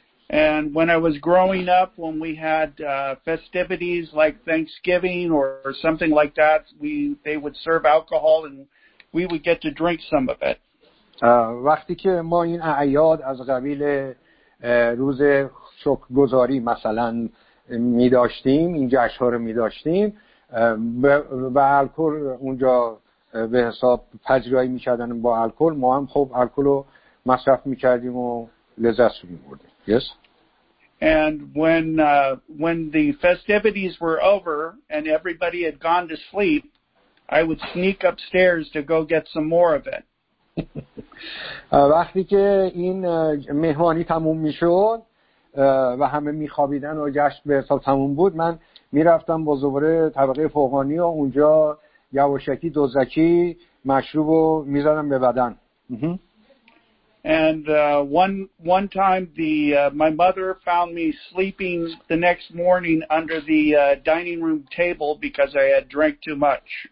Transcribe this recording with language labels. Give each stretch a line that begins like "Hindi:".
English: And when I was growing up, when we had festivities like Thanksgiving or something like that, they would serve alcohol and we would get to drink some of it.
Persian: وقتی که ما این اعیاد از قبیل روز شکرگزاری مثلا می داشتیم، این جشن‌ها رو می داشتیم، با الکل اونجا به حساب پذیرایی می کردن با الکل، ما هم خب الکل رو مصرف می کردیم و لذت می بردیم.
English: Yes. And when the festivities were over and everybody had gone to sleep, I would sneak upstairs to go get some more of it.
Persian: وقتی که این مهمانی تموم میشد و همه میخوابیدن و جشن به حساب تموم بود، من میرفتم با زوره طبقه فوقانی و اونجا یواشکی دوزکی مشروب رو میزدم به بدن.
English: And one time my mother found me sleeping the next morning under the dining room table because I had drank too much.